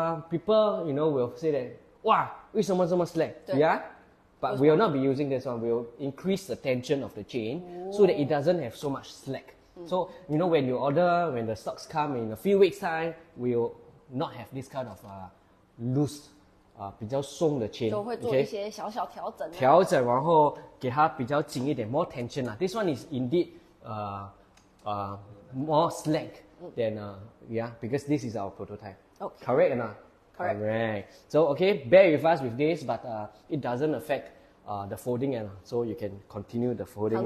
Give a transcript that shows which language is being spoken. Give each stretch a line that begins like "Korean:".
English: People, you know, will say that, wow, with so much slack. Yeah? But we will not be using this one. We'll increase the tension of the chain so that it doesn't have so much slack. So, you know, when you order, when the stocks come in a few weeks' time, we'll not have this kind of loose,
Chinese: 比较松的
English: chain.
Chinese: 就会做一些小小调整，然后给它比较紧一点,
English: more tension. This one is indeed more slack than because this is our prototype. Okay. Correct or not? Correct. Alright. So okay, bear with us with this, but it doesn't affect the folding, so you can continue the folding.